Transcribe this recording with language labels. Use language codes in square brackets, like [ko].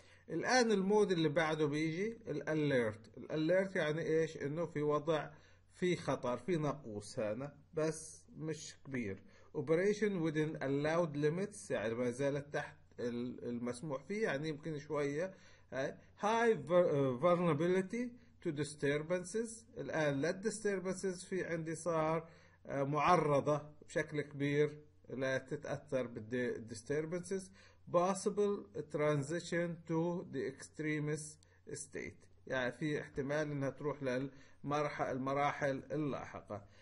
[ar] الان المود اللي بعده بيجي الالرت. الالرت يعني ايش؟ انه في وضع، في خطر، في نقص هنا بس مش كبير. [en] operation within allowed limits [ar] يعني ما زالت تحت المسموح فيه، يعني يمكن شوية. [en] high vulnerability to disturbances. [ar] الآن لا disturbances في عندي صار معرضة بشكل كبير لا تتأثر بالdisturbances. [en] possible transition to the extremist state [ar] يعني في احتمال انها تروح للمراحل اللاحقة.